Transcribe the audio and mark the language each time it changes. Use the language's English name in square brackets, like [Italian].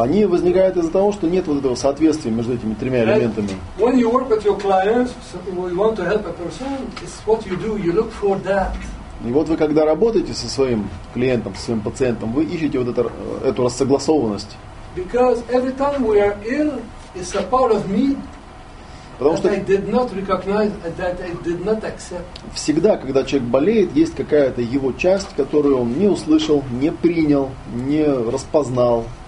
[Russian] Они возникают из-за того, что нет вот этого соответствия между этими тремя элементами. [English] When you work with your clients, so you want to help a person, it's what you do, you look for that. [Russian] И вот вы когда работаете со своим клиентом, со своим пациентом, вы ищете вот эту рассогласованность. [English] Because every time we are ill, it's a part of me. [Russian] Потому что [English] I did not recognize, that I did not accept. [Russian] Всегда, когда человек болеет, есть какая-то его часть, которую он не услышал, не принял, не распознал.